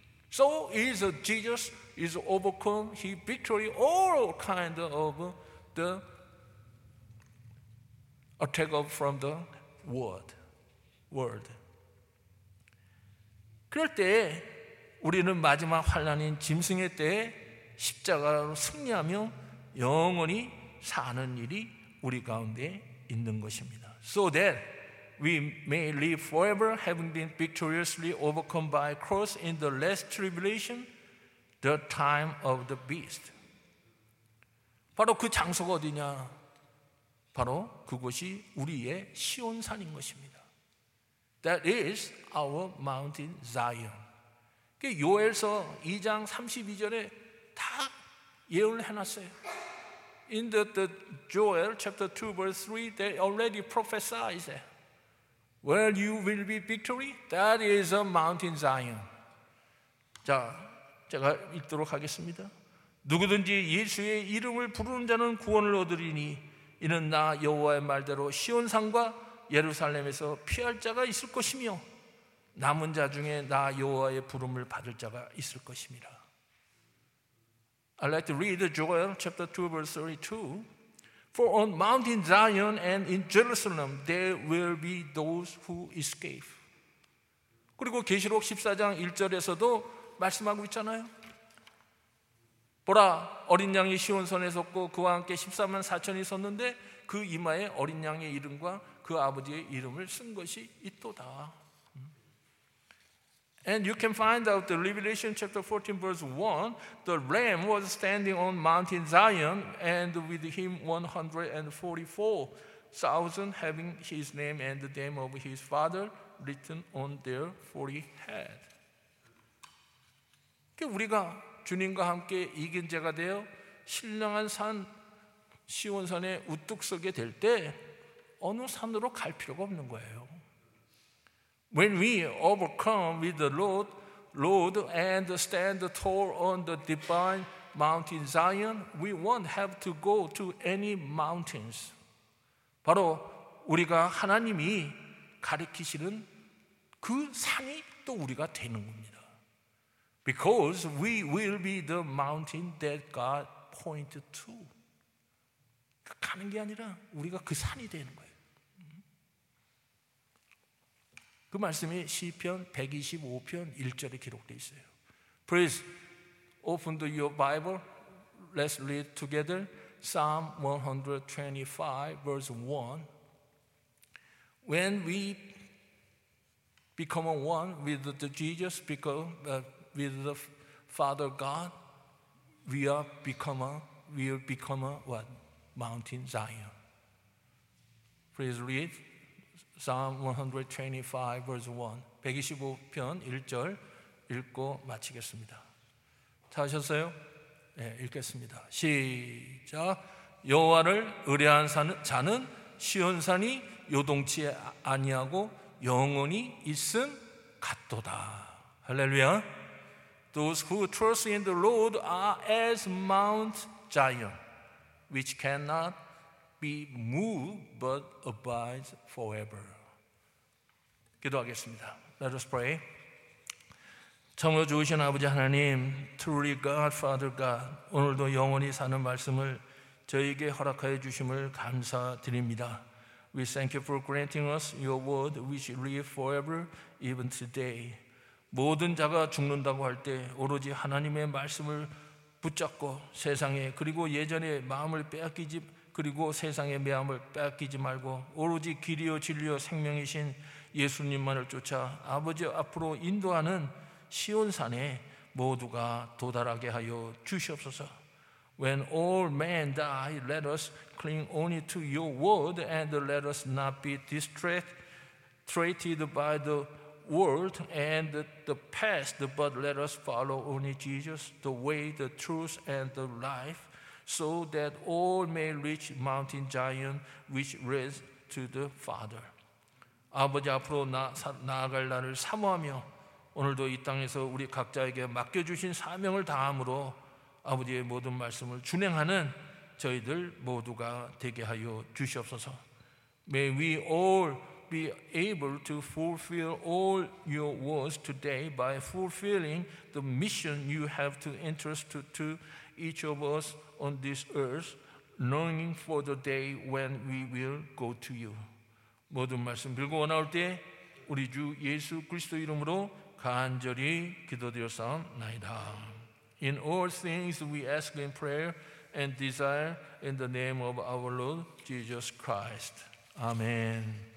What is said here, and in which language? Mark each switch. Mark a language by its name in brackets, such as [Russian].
[English] So is Jesus is overcome, he victory all kind of the attack of from the world. [Korean] 그럴 때 우리는 마지막 환난인 짐승의 때에 십자가로 승리하며 영원히 사는 일이 우리 가운데 있는 것입니다. [English] So that we may live forever having been victoriously overcome by cross in the last tribulation, the time of the beast. [Korean] 바로 그 장소가 어디냐? 바로 그곳이 우리의 시온산인 것입니다. [English] That is our mountain Zion. [Korean] 요엘서 2장 32절에 다 예언을 해놨어요. [English] In the Joel chapter 2 verse 3, they already prophesied it. Well, you will be victory. That is a mountain Zion. [Korean] 자, 제가 읽도록 하겠습니다. 누구든지 예수의 이름을 부르는 자는 구원을 얻으리니 이는 나 여호와의 말대로 시온산과 예루살렘에서 피할 자가 있을 것이며 남은 자 중에 나 여호와의 부름을 받을 자가 있을 것입니다. [English] I'd like to read Joel chapter 2 verse 32. For on Mount Zion and in Jerusalem there will be those who escape. [Korean] 그리고 계시록 14장 1절에서도 말씀하고 있잖아요. 보라, 어린 양이 시온산에 섰고 그와 함께 14만 4천이 섰는데 그 이마에 어린 양의 이름과 그 아버지의 이름을 쓴 것이 있도다. [English] And you can find out the Revelation chapter 14 verse 1. The Lamb was standing on Mount Zion and with him 144,000 having his name and the name of his father written on their forehead. [Korean] 우리가 주님과 함께 이긴 자가 되어 신령한 산 시온산에 우뚝 서게 될 때 어느 산으로 갈 필요가 없는 거예요. [English] When we overcome with the Lord and stand tall on the divine mountain Zion, we won't have to go to any mountains. [Korean] 바로 우리가 하나님이 가리키시는 그 산이 또 우리가 되는 겁니다. [English] Because we will be the mountain that God pointed to. [Korean] 가는 게 아니라 우리가 그 산이 되는 거예요. 그 말씀이 시편 125편 1절에 기록되어 있어요. [English] Please open your Bible. Let's read together. Psalm 125 verse 1. When we become one with the Jesus, with the Father God, we will become a what? Mountain Zion. Please read Psalm 125 verse 1. [Korean] 125편 1절 읽고 마치겠습니다. 다 하셨어요? 네, 읽겠습니다. 시작. 여호와를 의뢰한 자는 시온산이 요동치 아니하고 영원히 있음 같도다. 할렐루야. [English] Those who trust in the Lord are as Mount Zion, which cannot be moved but abides forever. [Korean] 기도하겠습니다. [English] Let us pray. [Korean] 창조 주신 아버지 하나님, [English] truly God, Father God, [Korean] 오늘도 영원히 사는 말씀을 저희에게 허락하여 주심을 감사드립니다. [English] We thank you for granting us your word, which live forever, even today. [Korean] 모든 자가 죽는다고 할 때 오로지 하나님의 말씀을 붙잡고 세상에 그리고 예전의 마음을 빼앗기지 그리고 세상의 매함을 빼앗기지 말고 오로지 길이요 진리요 생명이신 예수님만을 쫓아 아버지 앞으로 인도하는 시온산에 모두가 도달하게 하여 주시옵소서. [English] When all men die, let us cling only to your word and let us not be distracted by the world and the past, but let us follow only Jesus, the way, the truth, and the life, so that all may reach mountain Zion, which leads to the Father. [Korean] 아버지 앞으로 나아갈 날을 사모하며 오늘도 이 땅에서 우리 각자에게 맡겨주신 사명을 다함으로 아버지의 모든 말씀을 준행하는 저희들 모두가 되게 하여 주시옵소서. [English] May we all be able to fulfill all your words today by fulfilling the mission you have to entrust to each of us on this earth, longing for the day when we will go to you. [Korean] 모든 말씀 빌고 나올 때 우리 주 예수 그리스도 이름으로 간절히 기도드렸사옵나이다. [English] In all things we ask in prayer and desire in the name of our Lord Jesus Christ. Amen.